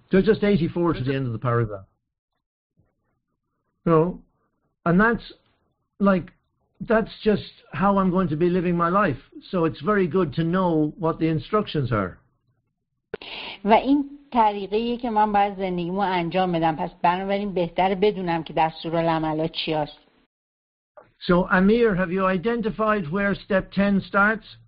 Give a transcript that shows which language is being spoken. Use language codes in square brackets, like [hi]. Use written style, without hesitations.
[en] So just 84 to the end of the paragraph. So, and that's like, that's just how I'm going to be living my life. So it's very good to know what the instructions are. [fa] و این طریقیه که من باید زندگیمو انجام بدم، پس بنابراین بهتر بدونم که دستورالعمل‌ها چی هست. [en] So Amir, have you identified where step 10 starts?